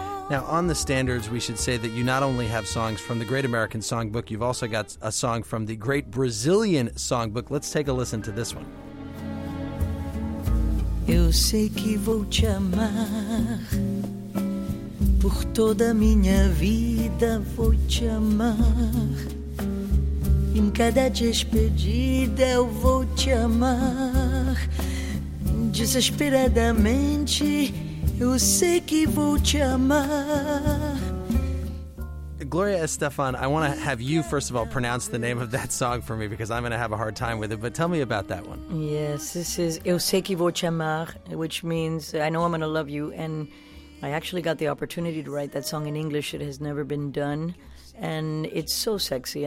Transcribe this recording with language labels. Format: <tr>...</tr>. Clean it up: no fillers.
<en>Now, on the standards, we should say that you not only have songs from the Great American Songbook, you've also got a song from the Great Brazilian Songbook. Let's take a listen to this one.</en> <pt>Eu sei que vou te amar por toda minha vida, vou te amar. Em cada despedida eu vou te amar. Desesperadamente, eu sei que vou te amar.</pt> <en>Gloria Estefan, I want to have you, first of all, pronounce the name of that song for me because I'm going to have a hard time with it. But tell me about that one. Yes, this is Eu Sei Que Vou Te Amar, which means I know I'm going to love you. And I actually got the opportunity to write that song in English. It has never been done. And it's so sexy.</en>